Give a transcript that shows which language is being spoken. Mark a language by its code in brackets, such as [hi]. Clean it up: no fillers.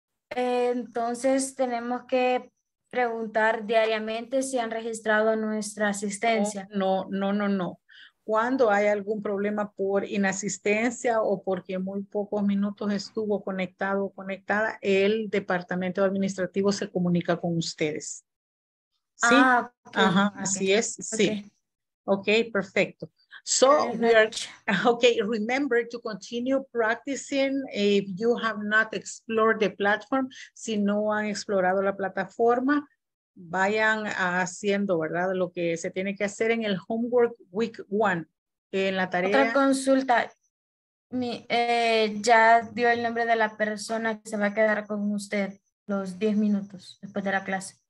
[es] Entonces tenemos que preguntar diariamente si han registrado nuestra asistencia. No. Cuando hay algún problema por inasistencia o porque muy pocos minutos estuvo conectado o conectada, el departamento administrativo se comunica con ustedes. ¿Sí? Ah, okay. Ajá, okay. Así es. Sí. Okay, perfecto. [en] So, remember to continue practicing if you have not explored the platform. [es] Si no han explorado la plataforma, vayan haciendo, ¿verdad? Lo que se tiene que hacer en el homework week one, en la tarea. Otra consulta. Ya dio el nombre de la persona que se va a quedar con usted los 10 minutos después de la clase.